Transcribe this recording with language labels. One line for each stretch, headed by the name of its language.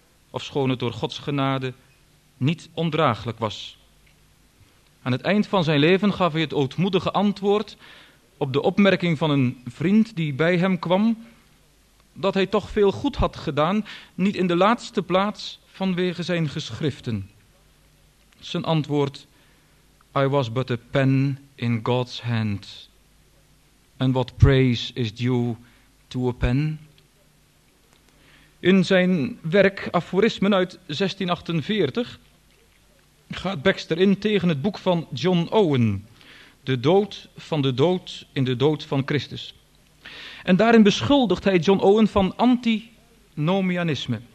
Dutch: Ofschoon het door Gods genade niet ondraaglijk was. Aan het eind van zijn leven gaf hij het ootmoedige antwoord op de opmerking van een vriend die bij hem kwam, dat hij toch veel goed had gedaan, niet in de laatste plaats vanwege zijn geschriften. Zijn antwoord:
English: I was but a pen in God's hand. And what praise is due to a pen?
Dutch: In zijn werk Aforismen uit 1648 gaat Baxter in tegen het boek van John Owen, De dood van de dood in de dood van Christus. En daarin beschuldigt hij John Owen van antinomianisme.